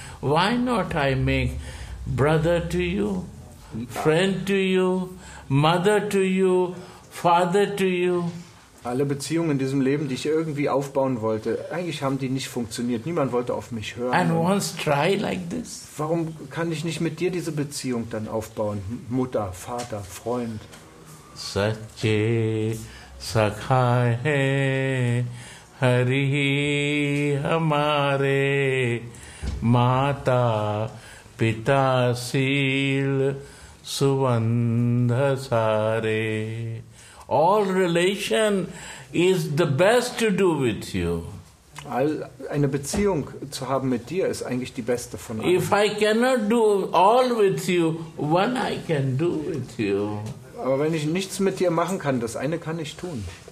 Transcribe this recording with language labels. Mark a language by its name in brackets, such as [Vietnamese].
[English] Why not I make brother to you, friend to you, mother to you, father to you? [German] Alle Beziehungen in diesem Leben, die ich irgendwie aufbauen wollte, eigentlich haben die nicht funktioniert. Niemand wollte auf mich hören. [English] And once try like this. [German] Warum kann ich nicht mit dir diese Beziehung dann aufbauen? Mutter, Vater, Freund. [Hindi] Sache Sakhae Hari Hamare Mata Pita Sil Suvandha Sare. [English] All relation is the best to do with you. [German] Eine Beziehung zu haben mit dir ist eigentlich die beste von allen. [English] If I cannot do all with you, one I can do with you. [German] Aber wenn ich nichts mit dir machen kann, das eine kann ich tun.